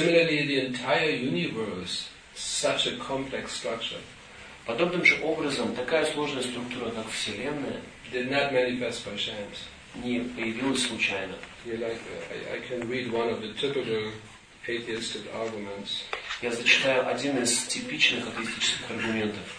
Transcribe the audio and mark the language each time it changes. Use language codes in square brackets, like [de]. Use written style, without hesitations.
[en] Similarly, the entire universe, such a complex structure. [ru] Подобным же образом, такая сложная структура, как Вселенная, [en] did not manifest by chance. [ru] Не появилась случайно. [en] I can read one of the typical atheistic arguments. [ru] Я зачитаю один из типичных атеистических аргументов.